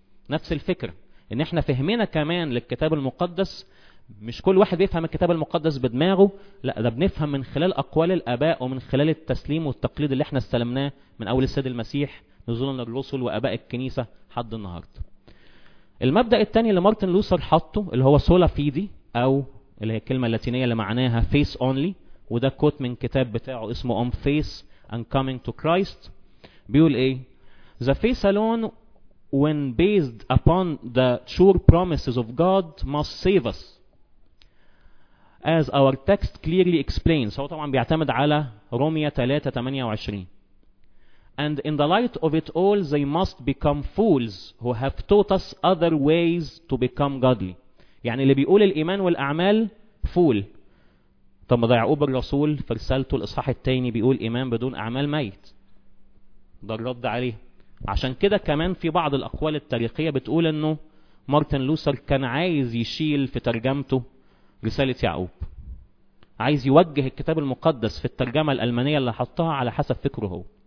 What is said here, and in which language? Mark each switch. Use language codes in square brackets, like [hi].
[ar] نفس الفكرة، ان احنا فهمنا كمان للكتاب المقدس مش كل واحد يفهم الكتاب المقدس بدماغه، لا ده بنفهم من خلال اقوال الاباء ومن خلال التسليم والتقليد اللي احنا استلمناه من اول السيد المسيح نزولا للرسل واباء الكنيسة حد النهاردة. المبدأ التاني اللي مارتن لوثر حطه اللي هو سولا فيدي او اللي هي الكلمة اللاتينية اللي معناها [en] face only, [ar] وده كوت من كتاب بتاعه اسمه On Faith and Coming to Christ. بيقول ايه؟ [en] The faith alone when based upon the sure promises of God must save us. As our text clearly explains. [ar] هو طبعا بيعتمد على روميا 3:28. [en] And in the light of it all they must become fools who have taught us other ways to become godly. [ar] يعني اللي بيقول الإيمان والأعمال فول. طب ده يعقوب الرسول في رسالته الإصحاح الثاني بيقول إيمان بدون أعمال ميت. ده الرد عليه. عشان كده كمان في بعض الأقوال التاريخية بتقول أنه مارتن لوثر كان عايز يشيل في ترجمته رسالة يعقوب، عايز يوجه الكتاب المقدس في الترجمة الألمانية اللي حطها على حسب فكره هو.